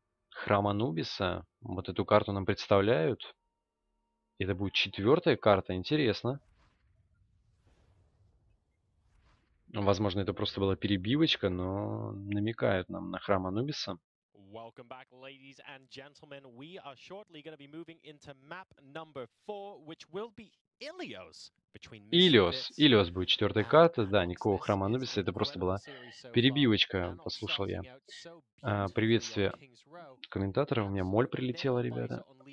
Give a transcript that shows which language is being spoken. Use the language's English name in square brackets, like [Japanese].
[Russian] Храм Анубиса, вот эту карту нам представляют. Это будет четвертая карта, интересно. Возможно, это просто была перебивочка, но намекают нам на храм Анубиса. [English] Welcome back, ladies and gentlemen. We are shortly going to be moving into map number 4, which will be Ilios. Ilios. [Russian] Ilios будет четвертая карта. Да, никакого храма Анубиса. Это просто была перебивочка, послушал я. Приветствие комментаторов. У меня моль прилетела, ребята.